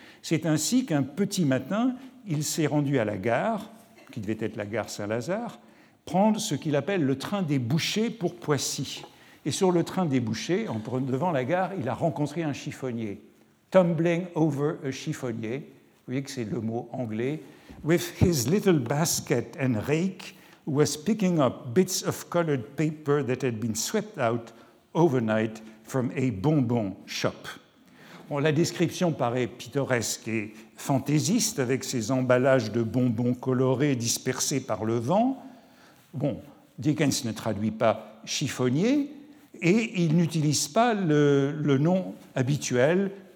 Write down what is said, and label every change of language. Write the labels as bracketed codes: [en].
[fr] C'est ainsi qu'un petit matin, il s'est rendu à la gare, qui devait être la gare Saint-Lazare, prendre ce qu'il appelle le train des bouchers pour Poissy. Et sur le train des bouchers, devant la gare, il a rencontré un chiffonnier. [en] Tumbling over a chiffonnier. [fr] Vous voyez que c'est le mot anglais. [en] With his little basket and rake, was picking up bits of colored paper that had been swept out overnight from a bonbon shop. [fr] Bon, la description paraît pittoresque et fantaisiste avec ses emballages de bonbons colorés dispersés par le vent. Bon, Dickens ne traduit pas chiffonnier et il n'utilise pas le nom habituel.